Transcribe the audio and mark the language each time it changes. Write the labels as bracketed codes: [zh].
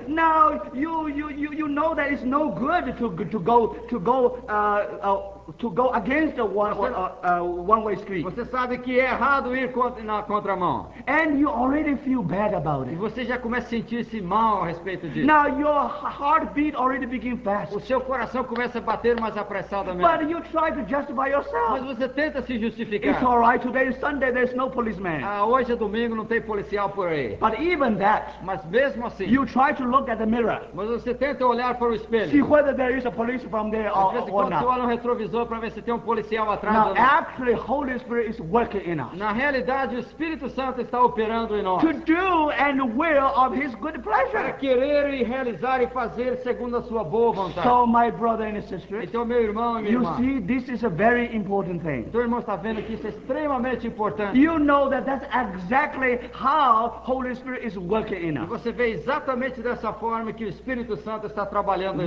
[en] Now you know that it's no good to go against the one-way street. [pt] Você sabe que é errado ir na contramão. [en] And you already feel bad about it. [pt] E você já começa a sentir-se mal a respeito disso. [en] Now your heartbeat already begin fast. [pt] O seu coração começa a bater mais apressadamente. [en] But you try to justify yourself. [pt] Mas você tenta se justificar. [en] It's all right, today is Sunday, there's no policeman. [pt] Ah, hoje é domingo, não tem policial por aí. [en] But even that, [pt] mas mesmo assim, [en] you try to look at the mirror. [pt] Mas você tenta olhar para o espelho. [en] See whether there is a police from there or not. [pt] Você olha no retrovisor para ver se tem um policial atrás. [en] Now, [pt] ou não. [en] Actually, Holy Spirit is working in us. [pt] Na realidade, o Espírito Santo está operando em nós. [en] To do and will of His good pleasure. [pt] Para querer e realizar e fazer segundo a sua boa vontade. [en] So, my brother and sister, [pt] então, meu irmão e minha irmã, [en] you see, this is a very important thing. [pt] Então, irmão, está vendo que isso é extremamente importante. [en] You know that that's exactly how Holy Spirit is working in us. [pt] E você vê exatamente dessa forma que o Espírito Santo está trabalhando em